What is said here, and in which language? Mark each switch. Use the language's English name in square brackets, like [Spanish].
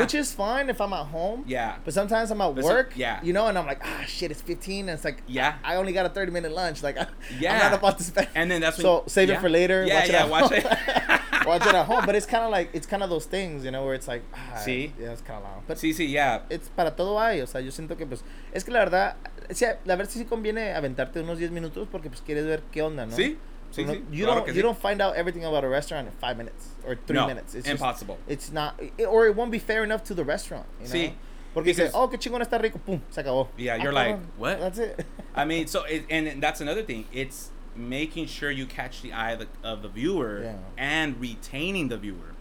[English] Which is fine if I'm at home. Yeah. But sometimes I'm at work. Yeah. You know, and I'm like, ah, shit, it's 15. And it's like, yeah. I only got a 30-minute lunch. Like, yeah. I'm not about to spend. And then that's when. So save it for later. Yeah, watch it. Watch it. Watch it at home. But it's kind of like, it's kind of those things, you know, where it's like, see? Yeah, it's kind of long. But It's [Spanish] para todo hay. O sea, yo siento que, pues, es que la verdad. Sí, a ver si conviene aventarte unos 10 minutos porque pues quieres ver qué onda, ¿no? Sí, sí, no, sí. [English] You don't find out everything about a restaurant in 5 minutes or three minutes. It's impossible. Just, it's not, or it won't be fair enough to the restaurant, you know? [Spanish] Sí. Porque dices, oh, qué chingón está rico, pum, se acabó. [English] Yeah, you're like, what? That's it. I mean, so, and that's another thing. It's making sure you catch the eye of the viewer and retaining the viewer.